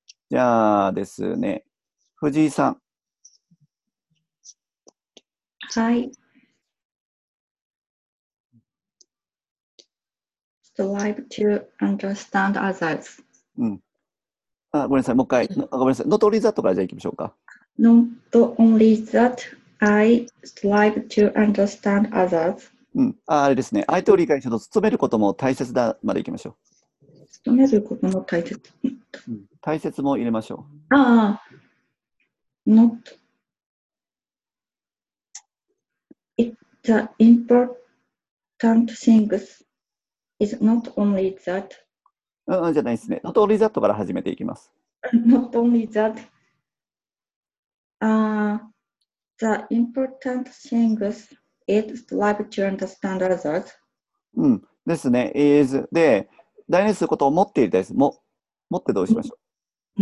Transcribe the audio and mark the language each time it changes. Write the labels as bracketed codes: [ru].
[ja] じゃあですね、藤井さん。はい。 [en] Strive to understand others. [ja] うん。あ、ごめんなさい、もう一回。ごめんなさい。 [en] Not only that [ja] からじゃあ行きましょうか。 [en] Not only that, I strive to understand others. [ja] うん、あれですね。相手を理解しようと努めることも大切だまでいきましょう。努めることも大切、うん、大切も入れましょう。ああ。 [en] Not It's the important things is not only that、 [ja] うん、うんじゃないですね。 [en] Not only that [ja] から始めていきます。 [en] Not only that、The important thingsIt's like to understand others. [ja] うんですね。 is で、大事にすることを持っているです。も、持ってどうしましょう。